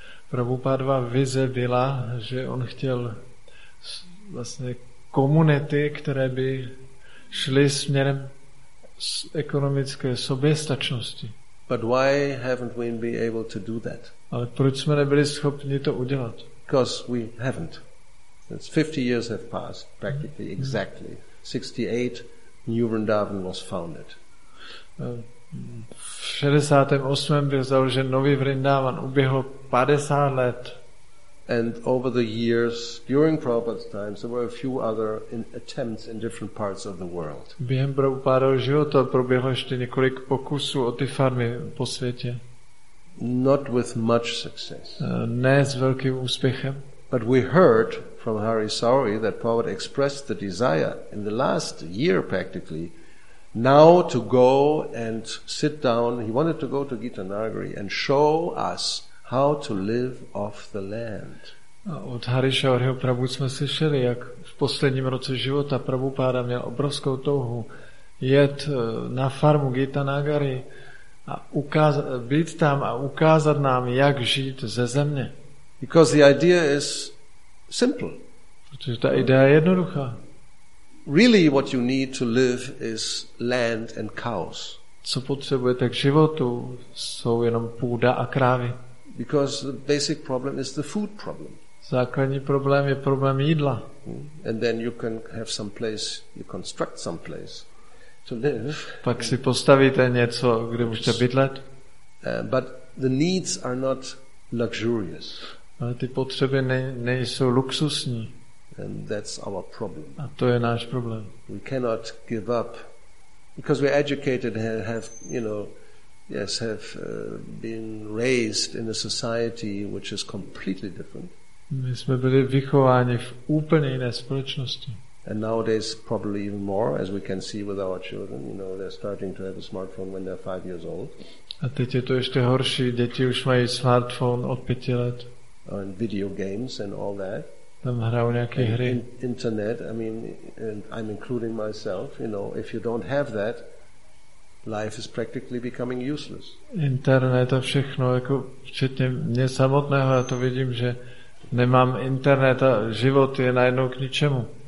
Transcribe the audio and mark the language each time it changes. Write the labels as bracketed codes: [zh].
[cs] Prabhupádova vize byla, že on chtěl vlastně komunity, které by šly směrem ekonomické soběstačnosti. [en] But why haven't we been able to do that? [cs] Ale proč jsme nebyli schopni to udělat? [en] Because we haven't. It's 50 years have passed, practically exactly. 68, New Vrindavan was founded. [cs] V 68. byl založen nový Vrindavan. Uběhlo 50 let. [en] And over the years, during Prabhupada's times, there were a few other attempts in different parts of the world. [cs] Během Prabhupádova života proběhlo ještě několik pokusů o ty farmy po světě. [en] Not with much success. [cs] Ne s velkým úspěchem. [en] But we heard from Hari Sauri that Prabhupada expressed the desire in the last year practically now to go and sit down. He wanted to go to Gita Nagari and show us how to live off the land. [cs] Od Hari Sauriho Prabhu jsme slyšeli, jak v posledním roce života Prabhupada měl obrovskou touhu jet na farmu Gita Nagari a být tam a ukázat nám, jak žít ze země. [en] Because the idea is simple. [cs] Protože ta idea je jednoduchá. [en] Really what you need to live is land and cows. [cs] Co potřebujete k životu, jsou jenom půda a krávy. [en] Because the basic problem is the food problem. [cs] Základní problém je problém jídla. [en] And then you can have some place, you construct some place to live. [cs] Pak si postavíte něco, kde můžete bydlet. [en] But the needs are not luxurious. [cs] Ale ty potřeby nejsou luxusní. [en] And that's our problem. [cs] A to je náš problém. [en] We cannot give up because we're educated and have, you know, yes, have been raised in a society which is completely different. [cs] My jsme byli vychováni v úplně jiné společnosti. [en] And nowadays probably even more, as we can see with our children, you know, they're starting to have a smartphone when they're 5 years old. [cs] A teď je to ještě horší, děti už mají smartphone od 5 let. [en] And video games and all that. [cs] Tam hrajou nějaké hry. [en] Internet, I mean, and I'm including myself, you know, if you don't have that, life is practically becoming useless. [cs] Internet a všechno, jako včetně mě samotného, já to vidím, že nemám internet a život je najednou k ničemu.